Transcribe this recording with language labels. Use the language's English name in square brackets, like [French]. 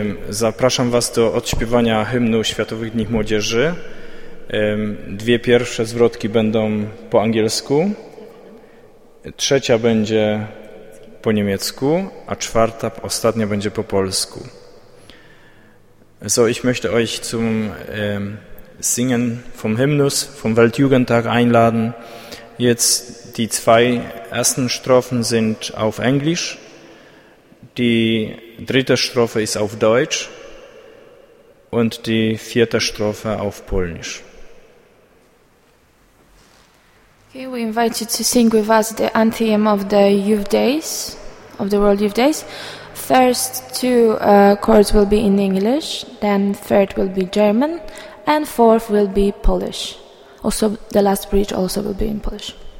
[Polish] Zapraszam Was do odśpiewania hymnu Światowych Dni Młodzieży. Dwie pierwsze zwrotki będą po angielsku, trzecia będzie po niemiecku, a czwarta, ostatnia będzie po polsku. [German] So, ich möchte euch zum Singen vom Hymnus, vom Weltjugendtag einladen. Jetzt die zwei ersten Strophen sind auf Englisch. Die dritte Strophe ist auf Deutsch und die vierte Strophe auf Polnisch. [English] Okay, we invite you to sing with us the anthem of the Youth Days, of the World Youth Days. First two chords will be in English, then third will be German, and fourth will be Polish. Also, the last bridge also will be in Polish.